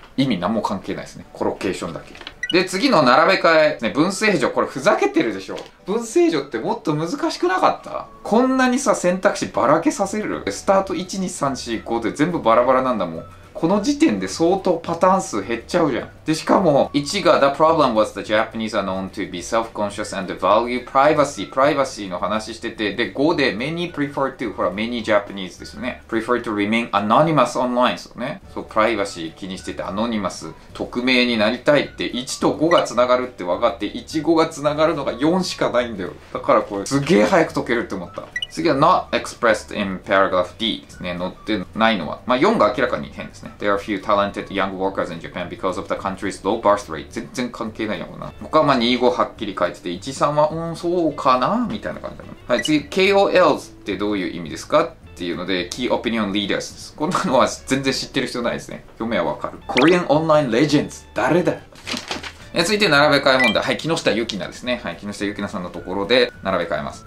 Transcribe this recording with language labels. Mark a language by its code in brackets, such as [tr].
[ja] 意味何も関係ないですね、コロケーションだけで。次の並べ替え、ね、文政序、これふざけてるでしょ。文政序ってもっと難しくなかった？こんなにさ、選択肢ばらけさせる？スタート1,2,3,4,5で全部バラバラなんだもん。この時点で相当パターン数減っちゃうじゃん。で、しかも、1が [en] The problem was the Japanese are known to be self-conscious and value privacy. [ja] Privacy の話してて、で、5で [en] Many prefer to, [ja] ほら、 [en] Many Japanese [ja] ですよね。 [en] Prefer to remain anonymous online [ja] ですよね。そう、Privacy 気にしてて、Anonymous、匿名になりたいって、1と5が繋がるって分かって、1、5が繋がるのが4しかないんだよ。だからこれ、すげえ早く解けるって思った。次は [en] not expressed in paragraph D [ja] ですね。載ってないのは。まあ、4が明らかに変ですね。 [en] There are few talented young workers in Japan because of the country's low birth rate. [ja] 全然関係ないやもんな。他はま、2、5はっきり書いてて、1、3は、うん、そうかなみたいな感じだな。はい、次、KOLs ってどういう意味ですかっていうので、 [en] Key Opinion Leaders [ja] です。こんなのは全然知ってる人ないですね。読めはわかる。 [en] Korean Online Legends! [ja] 誰だ続いて並べ替え問題。はい、木下ゆきなですね。はい、木下ゆきなさんのところで並べ替えます。